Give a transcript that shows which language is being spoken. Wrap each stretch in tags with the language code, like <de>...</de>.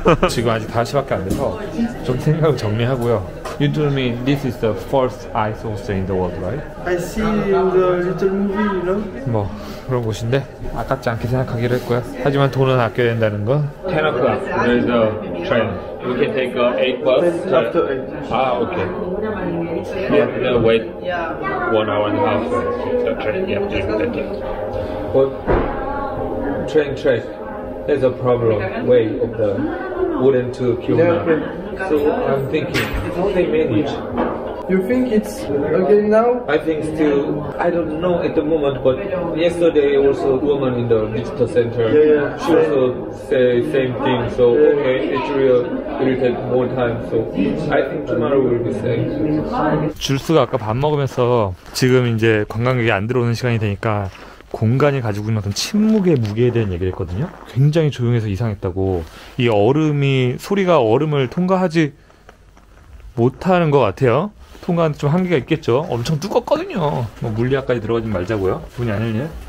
<ko>지금 아직 5시밖에 안 돼서 좀 생각을 정리하고요.</ko> <en>You told me this is the first ice hostel in the world, right? I see in the little movie, you know?</en> <ko>뭐 그런 곳인데 아깝지 않게 생각하기로 했고요. 하지만 돈은 아껴야 된다는 건</ko> <en>10 o'clock. There is a train. We can take 8 bus. 10 to 8. Ah, okay. We have to wait 1 hour and a half for the train. Yeah, thank you. What? Train. There's a problem. Way of the wooden to Kyoto. So I'm thinking, how they manage? You think it's okay now? I think still, I don't know at the moment, but yesterday also a woman in the visitor center, she also say same thing, so okay, it will take more time, so I think tomorrow will be same.</en> <ko>줄스가 아까 밥 먹으면서 지금 이제 관광객이 안 들어오는 시간이 되니까 공간이 가지고 있는 어떤 침묵의 무게에 대한 얘기를 했거든요. 굉장히 조용해서 이상했다고. 이 얼음이, 소리가 얼음을 통과하지 못하는 것 같아요. 통과하는 좀 한계가 있겠죠. 엄청 두껍거든요. 뭐 물리학까지 들어가지 말자고요. 분이 아닐래?</ko>